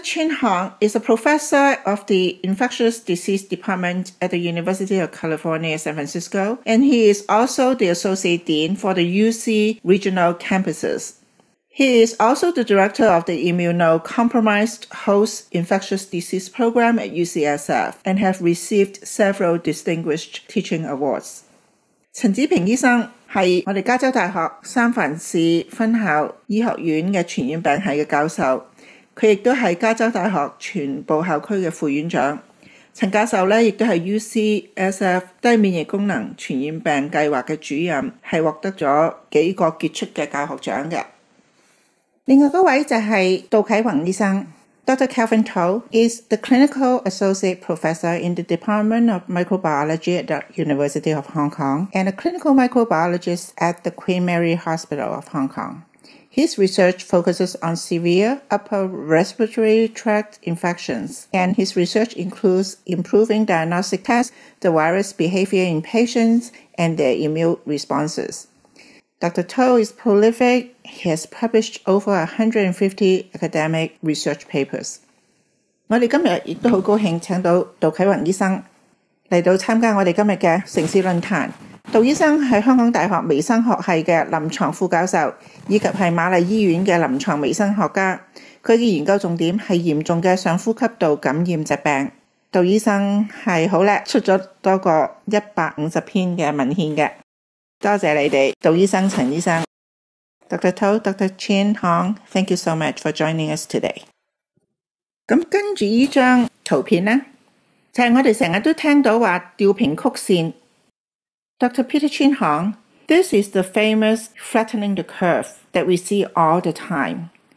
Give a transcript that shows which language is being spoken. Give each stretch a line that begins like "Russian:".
English: Chin Hong is a professor of the Infectious Disease Department at the University of California, San Francisco, and he is also the Associate Dean for the UC Regional Campuses. He is also the Director of the Immunocompromised Host Infectious Disease Program at UCSF and has received several distinguished teaching awards.
Cantonese: 陳子平醫生是我们加州大学三藩市分校医学院的传染病系的教授，他亦都是加州大学全部校区的副院长。陈教授亦都是 UCSF 低免疫功能传染病计划的主任，是获得了几个杰出的教学奖的。另外一位就是杜啟泓醫生。
English: Dr. Kelvin To is the Clinical Associate Professor in the Department of Microbiology at the University of Hong Kong and a Clinical Microbiologist at the Queen Mary Hospital of Hong Kong. His research focuses on severe upper respiratory tract infections, and his research includes improving diagnostic tests, the virus behavior in patients, and their immune responses. Dr. To is prolific. He has published over 150 academic research papers.
Cantonese: 我哋今日亦都好高兴请到杜启泓医生嚟到参加我哋今日嘅城市论坛。杜医生系香港大学微生物学系嘅临床副教授，以及系玛丽医院嘅临床微生物学家。佢嘅研究重点系严重嘅上呼吸道感染疾病。杜医生系好叻，出咗多过150篇嘅文献嘅。多谢你哋，杜医生、陈医生。
English: Dr. To, Dr. Chin Hong, thank you so much for joining us today.
Cantonese: 咁跟住呢张图片呢，就系我哋成日都听到话吊瓶曲线。
English: Dr. Peter Chin Hong, this is the famous flattening the curve that we see all the time.